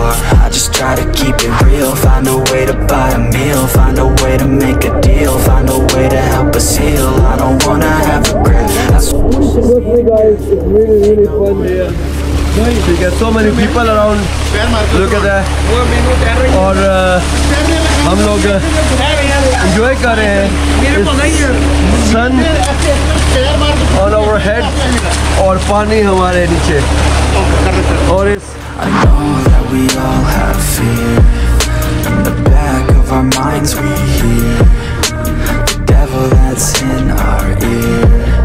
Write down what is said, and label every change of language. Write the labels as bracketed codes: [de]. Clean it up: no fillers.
[en] I just try to keep it real, find a way to buy a meal. Find a way to make a deal, find a way to help us heal. I don't wanna have regret, that's what keeps starting these wars. Guys, it's really, really fun here. You get so many people around. Look at that. [hi] और हम लोग enjoy कर रहे हैं. [en] Sun on our head [hi] और पानी हमारे नीचे. और इस [en] I know that we all have fear. In the back of our minds we hear the devil that's in our ear.